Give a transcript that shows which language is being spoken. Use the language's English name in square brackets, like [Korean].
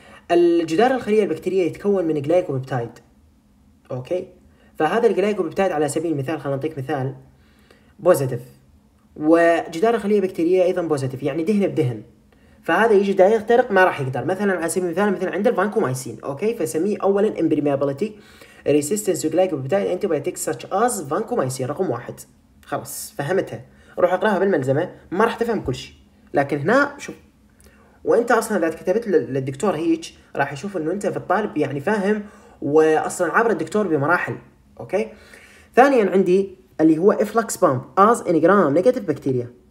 [Arabic] الجدار الخليه البكتيريه يتكون من جلايكوبيبتايد. اوكي فهذا الجلايكوبيبتايد على سبيل المثال خلينا نعطيك مثال بوزيتيف، وجدار الخليه البكتيريه ايضا بوزيتيف يعني دهن بدهن، فهذا يجي دا يخترق ما راح يقدر. مثلا على سبيل المثال مثل عند الفانكومايسين. اوكي فسميه اولا [English] impermeability resistance to glycopeptide antibiotics such as vancomycin [Arabic] رقم واحد. خلاص فهمتها، روح اقراها بالملزمه ما راح تفهم كل شيء، لكن هنا شوف وانت اصلا اذا كتبت للدكتور هيك راح يشوف انه انت في الطالب يعني فاهم واصلا عبر الدكتور بمراحل. اوكي ثانيا عندي اللي هو [English] Efflux pump is in gram negative bacteria.